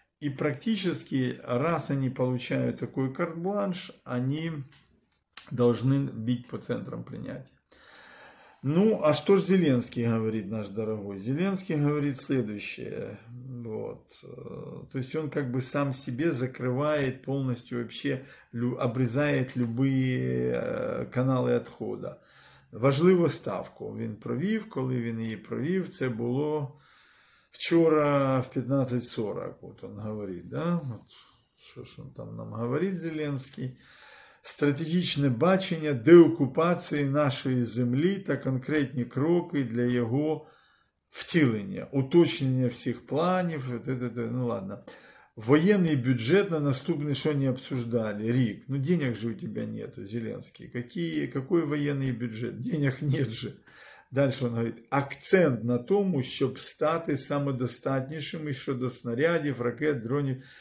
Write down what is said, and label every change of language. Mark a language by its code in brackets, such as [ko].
[ru] И практически, раз они получают такой карт-бланш, они должны бить по центрам принятия. Ну, а что же Зеленский говорит, наш дорогой? Зеленский говорит следующее. Вот. То есть он как бы сам себе закрывает полностью, вообще обрезает любые каналы отхода. [uk] Важливу ставку він провів, коли він її провів, це було вчора в 15:40, [ru] вот он говорит, да, вот, [uk] що ж он там нам говорит, Зеленський. Стратегічне бачення деокупації нашої землі та конкретні кроки для його втілення, уточнення всіх планів, [ru] ну ладно. Военный бюджет на наступный, что они обсуждали? Рик, ну денег же у тебя нету, Зеленский. Какой военный бюджет? Денег нет же. Дальше он говорит, акцент на том, чтобы стать самодостатнейшим еще до снарядов, ракет, дронов.